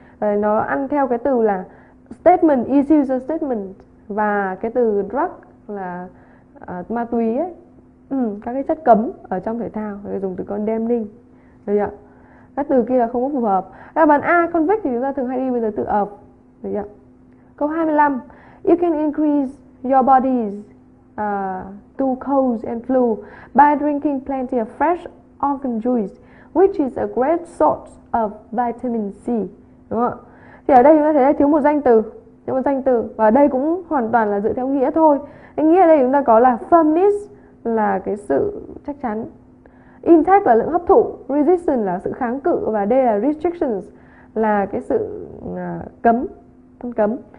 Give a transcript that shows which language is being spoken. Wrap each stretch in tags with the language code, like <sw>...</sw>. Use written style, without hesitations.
<vi>Nó ăn theo cái từ là statement,</vi> <en>is use a statement,</en> <vi>và cái từ drug là ma túy ấy. Các cái chất cấm ở trong thể thao, rồi dùng từ condemning. Được chưa? Các từ kia là không có phù hợp. Đáp án A, convict thì chúng ta thường hay đi với giới tự of. Được chưa? Câu 25.</vi> <en>You can increase your body's glucose and fluid by drinking plenty of fresh orange juice, which is a great source of vitamin C.</en> <vi>Đúng không? Thì ở đây chúng ta thấy là thiếu một danh từ. Thiếu một danh từ. Và đây cũng hoàn toàn là dựa theo nghĩa thôi. Cái nghĩa ở đây chúng ta có là firmness là cái sự chắc chắn. Intake là lượng hấp thụ. Resistance là sự kháng cự. Và đây là restrictions là cái sự cấm. Phân cấm.</vi>